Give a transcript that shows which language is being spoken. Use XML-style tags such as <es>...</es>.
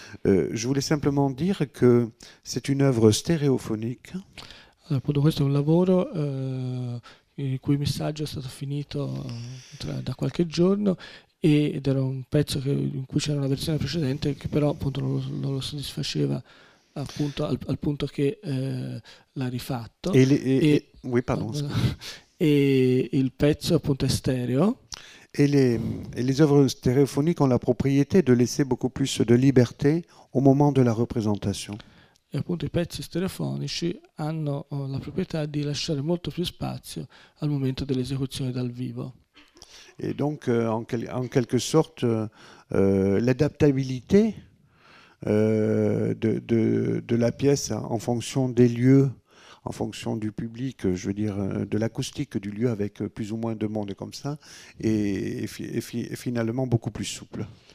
<fr>Je voulais simplement dire que c'est une œuvre stéréophonique.</fr> <it>Appunto, questo è un lavoro il cui messaggio è stato finito da qualche giorno ed era un pezzo in cui c'era una versione precedente che però appunto non lo soddisfaceva appunto al punto che l'ha rifatto</it> <fr>Et oui, pardon, scusi.</fr> <it>e il pezzo appunto è stereo.</it> <fr>Et les œuvres stéréophoniques ont la propriété de laisser beaucoup plus de liberté au moment de la représentation.</fr> <it>E appunto i pezzi stereofonici hanno la proprietà di lasciare molto più spazio al momento dell'esecuzione dal vivo.</it> <fr>Et donc, en quelque sorte, l'adaptabilité de la pièce en fonction des lieux. En fonction du public, je veux dire de l'acoustique du lieu avec plus ou moins de monde comme ça, et finalement beaucoup plus souple.</fr>